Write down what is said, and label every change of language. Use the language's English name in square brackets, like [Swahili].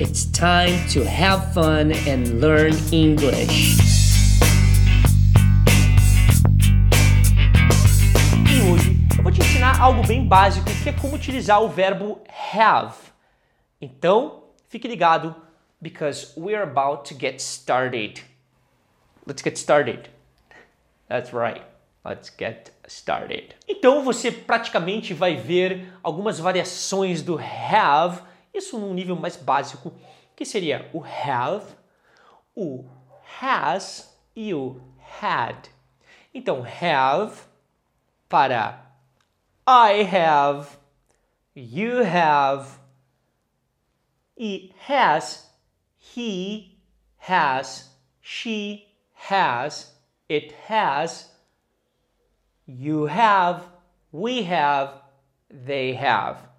[English] It's time to have fun and learn English. [Portuguese] E hoje eu vou te ensinar algo bem básico, que é como utilizar o verbo have. Então, fique ligado, because we are about to get started. [English] Let's get started. That's right. Let's get started. [Portuguese] Então, você praticamente vai ver algumas variações do have, isso num nível mais básico, que seria o have, o has e o had. Então, have para I have, you have, e has, he has, she has, it has, you have, we have, they have.